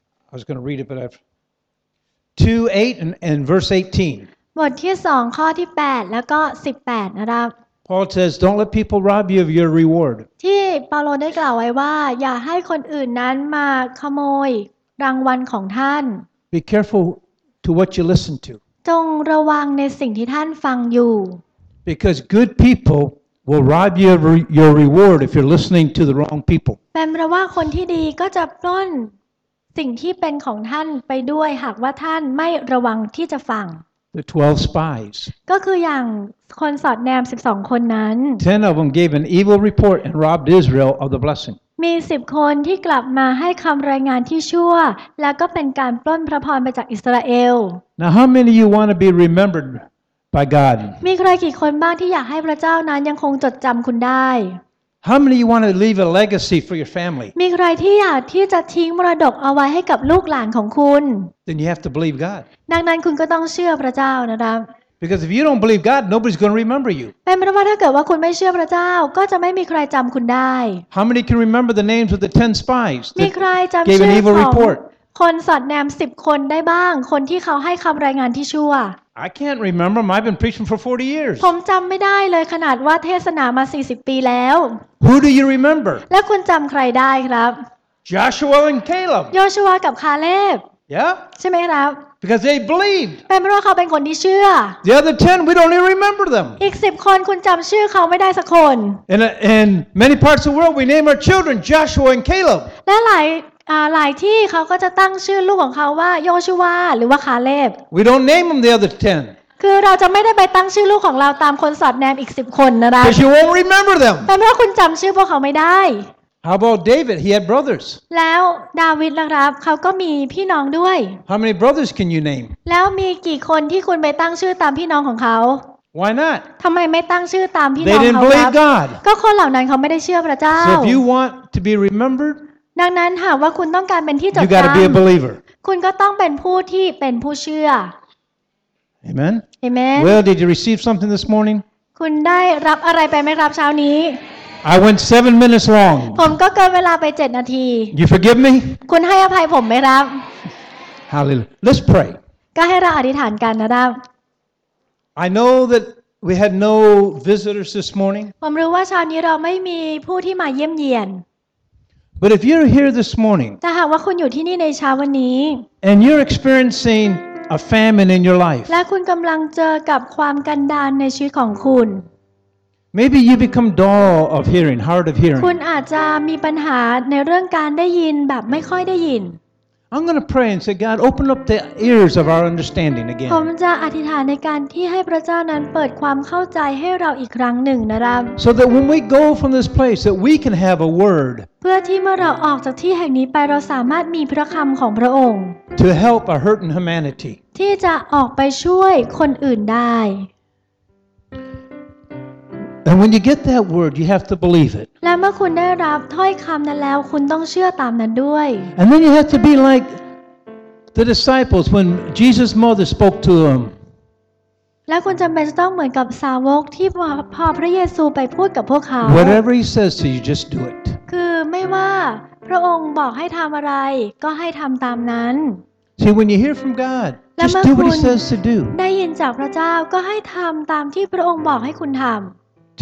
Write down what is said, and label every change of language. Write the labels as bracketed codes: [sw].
[en] I was going to read it, but I've 2:8 and verse 18. [th] บทที่สองข้อที่8แล้วก็18นะครับ [en] Paul says, "Don't let people rob you of your reward." [th] ที่เปาโลได้กล่าวไว้ว่าอย่าให้คนอื่นนั้นมาขโมยรางวัลของท่าน [en] Be careful to what you listen to. [th] จงระวังในสิ่งที่ท่านฟังอยู่ [en] Because good people. Will rob you of your reward if you're listening to the wrong people. [th] เป็นเพราะว่าคนที่ดีก็จะปล้นสิ่งที่เป็นของท่านไปด้วยหากว่าท่านไม่ระวังที่จะฟัง [en] The 12 spies. [th] ก็คืออย่างคนสอดแนม12คนนั้น [en] 10 of them gave an evil report and robbed Israel of the blessing. [th] มี10คนที่กลับมาให้คำรายงานที่ชั่วแล้วก็เป็นการปล้นพระพรไปจากอิสราเอล [en] Now how many of you want to be remembered? By God. [th] มีใครกี่คนบ้างที่อยากให้พระเจ้านั้นยังคงจดจำคุณได้ [en] How many you want to leave a legacy for your family? [th] มีใครที่อยากที่จะทิ้งมรดกเอาไว้ให้กับลูกหลานของคุณ [en] Then you have to believe God. [th] ดังนั้นคุณก็ต้องเชื่อพระเจ้านะครับ [en] Because if you don't believe God, nobody's going to remember you. [th] เป็นเพราะว่าถ้าเกิดว่าคุณไม่เชื่อพระเจ้าก็จะไม่มีใครจำคุณได้ [en] How many can remember the names of the 10 spies? [th] มีใครจำชื่อของคนสอดแนม10คนได้บ้างคนที่เขาให้คำรายงานที่ชั่ว [en] I can't remember them. I've been preaching for 40 years. [th] ผมจำไม่ได้เลยขนาดว่าเทศนามา40ปีแล้ว [en] Who do you remember? [th] แล้วคุณจำใครได้ครับ [en] Joshua and Caleb. [th] โยชัวกับคาเลบ [en] Yeah. [th] ใช่ไหมครับ [en] Because they believed. [th] เป็นเพราะเขาเป็นคนที่เชื่อ [en] The other 10, we don't even remember them. [th] อีก10คนคุณจำชื่อเขาไม่ได้สักคน [en] In many parts of the world, we name our children Joshua and Caleb. [th] และหลายที่เขาก็จะตั้งชื่อลูกของเขาว่าโยชูวาหรือว่าคาเลบ [en] We don't name them the other 10. [th] คือเราจะไม่ได้ไปตั้งชื่อลูกของเราตามคนสอดแนมอีก10คนนะครับ [en] Because you won't remember them. [th] แต่เพราะคุณจำชื่อพวกเขาไม่ได้ [en] How about David? He had brothers. [th] แล้วดาวิดล่ะครับเขาก็มีพี่น้องด้วย [en] How many brothers can you name? [th] แล้วมีกี่คนที่คุณไปตั้งชื่อตามพี่น้องของเขา [en] Why not? [th] ทำไมไม่ตั้งชื่อตามพี่น้อง เขา [en] They didn't believe God. [th] ก็คนเหล่านั้นเขาไม่ได้เชื่อพระเจ้า [en] So if you want to be remembered. [th] ดังนั้นหากว่าคุณต้องการเป็นที่จด จ ำคุณก็ต้องเป็นผู้ที่เป็นผู้เชื่อ [en] Amen Amen Well did you receive something this morning [th] คุณได้รับอะไรไปไหมครับเช้านี้ [en] I went 7 minutes long [th] ผมก็เกินเวลาไป7นาที [en] You forgive me [th] คุณให้อภัยผมไหมครับ [en] Hallelujah Let's pray [th] ก็ให้เราอธิษฐานกันนะครับ [en] I know that we had no visitors this morning [th] ผมรู้ว่าเช้านี้เราไม่มีผู้ที่มาเยี่ยมเยียน [en] But if you're here this morning, [th] แต่หากว่าคุณอยู่ที่นี่ในเช้าวันนี้ [en] and you're experiencing a famine in your life, [th] และคุณกำลังเจอกับความกันดารในชีวิตของคุณ [en] Maybe you become dull of hearing, hard of hearing. [th] คุณอาจจะมีปัญหาในเรื่องการได้ยินแบบไม่ค่อยได้ยิน [en] I'm going to pray and say, God, open up the ears of our understanding again. [th] ผมจะอธิษฐานในการที่ให้พระเจ้านั้นเปิดความเข้าใจให้เราอีกครั้งหนึ่งนะครับ [en] So that when we go from this place, that we can have a word. [th] เพื่อที่เมื่อเราออกจากที่แห่งนี้ไปเราสามารถมีพระคำของพระองค์ [en] To help a hurting humanity. [th] ที่จะออกไปช่วยคนอื่นได้ [en] And when you get that word, you have to believe it. [th] และเมื่อคุณได้รับถ้อยคำนั้นแล้วคุณต้องเชื่อตามนั้นด้วย [en] And then you have to be like the disciples when Jesus' mother spoke to them. [th] และคุณจำเป็นจะต้องเหมือนกับสาวกที่พอพระเยซูไปพูดกับพวกเขา [en] Whatever he says to you, just do it. [th] คือไม่ว่าพระองค์บอกให้ทำอะไรก็ให้ทำตามนั้น [en] See when you hear from God, just do what he says to do. [th] ได้ยินจากพระเจ้าก็ให้ทำตามที่พระองค์บอกให้คุณทำ